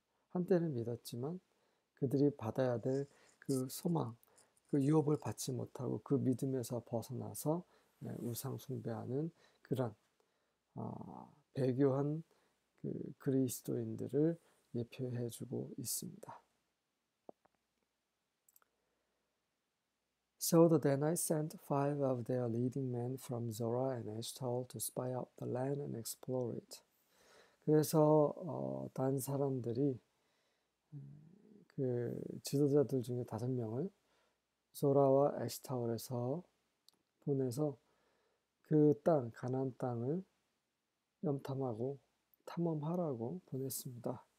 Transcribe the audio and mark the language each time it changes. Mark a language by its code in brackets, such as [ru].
[ko] 한때는 믿었지만 그들이 받아야 될그 소망, 그 유업을 받지 못하고 그 믿음에서 벗어나서 우상숭배하는 그런 배교한 그리스도인들을 예표해주고 있습니다. [en] So the Danites sent five of their leading men from Zorah and Eshtaol to spy out the land and explore it. [ko] 그래서 단 사람들이 지도자들 중에 5명을 소라와 에시타올에서 보내서 그 땅, 가나안 땅을 염탐하고 탐험하라고 보냈습니다.